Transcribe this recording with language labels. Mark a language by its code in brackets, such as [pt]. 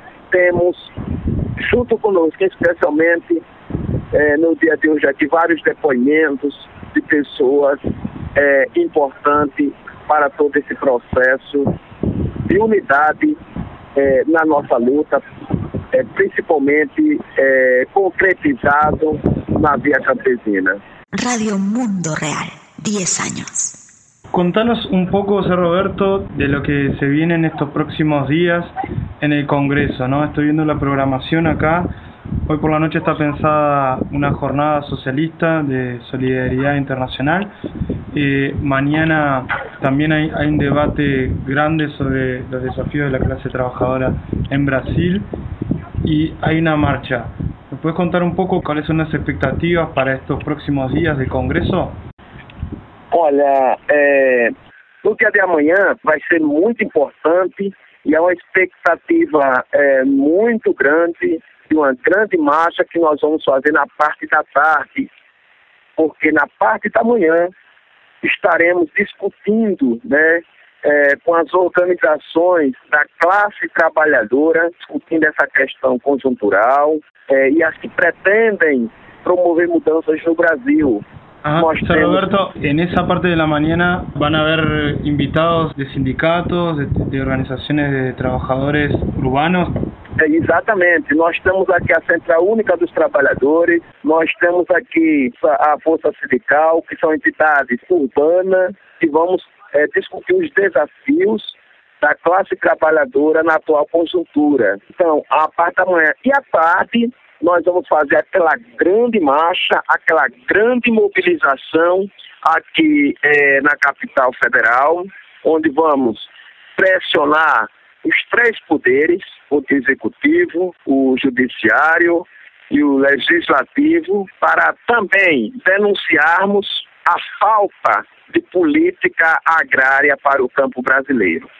[pt] temos junto conosco, especialmente no dia de hoje aqui, vários depoimentos de pessoas importantes para todo esse processo de unidade na nossa luta, principalmente concretizado na via campesina. [es] Radio Mundo Real, 10 años. Contanos un poco, José Roberto, de lo que se viene en estos próximos días en el Congreso, ¿no? Estoy viendo la programación acá. Hoy por la noche está pensada una jornada socialista de solidaridad internacional. Mañana también hay un debate grande sobre los desafíos de la clase trabajadora en Brasil y hay una marcha. ¿Me puedes contar un poco cuáles son las expectativas para estos próximos días del Congreso? [pt] Olha, no [es] día de mañana va a ser muy importante y hay una expectativa muy grande de una grande marcha [pt] que nós vamos fazer na parte da tarde, porque na parte da manhã estaremos discutindo com as organizações da classe trabalhadora, discutindo essa questão conjuntural e as que pretendem promover mudanças no Brasil. [es] Sr. Roberto, en esa parte de la mañana van a haber invitados de sindicatos, de organizaciones de trabajadores urbanos. [pt] Exatamente, nós temos aqui a Central Única dos Trabalhadores, nós temos aqui a Força Sindical, que são entidades urbanas, que vamos discutir os desafios da classe trabalhadora na atual conjuntura. Então, a parte da manhã e a tarde, nós vamos fazer aquela grande marcha, aquela grande mobilização aqui na capital federal, onde vamos pressionar os três poderes, o executivo, o judiciário e o legislativo, para também denunciarmos a falta de política agrária para o campo brasileiro.